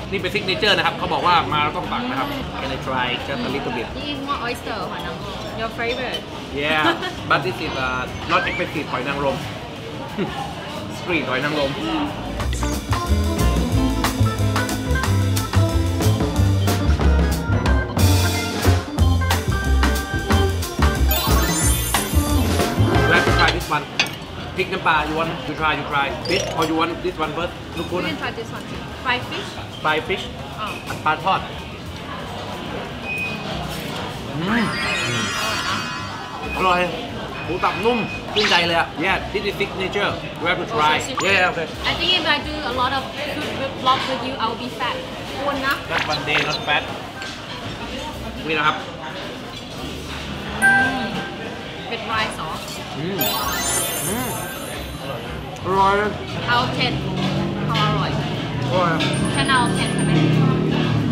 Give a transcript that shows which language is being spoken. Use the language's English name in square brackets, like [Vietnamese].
[Thai] นี่เป็นซิกเนเจอร์นะครับเขาบอกว่ามาแล้วต้องสั่งนะครับ [English] Can I try just a little bit This is more oyster หอยนางรมYour favorite? Yeah, but this is not expensive hoi nang rom. Street hoi nang rom. Let's try this one. Pick the bar, you want to try, you try. Fish or you want this one first? Look good. You can try this one too. Fried fish? Fried fish. Oh. And pad thought [Thai] อร่อยหมูตับนุ่มกินใจเลยอ่ะ [English] Yeah, this is signature. We have to try. Yeah, okay. I think if I do a lot of food vlog with you, I'll be fat. That one day not fat. [Thai] นี่นะครับ เป็ดไรซ์เหรออืมอืม อร่อย เอาเค็ดเอาอร่อย อร่อย แค่เอาเค็ดใช่ไหมอืม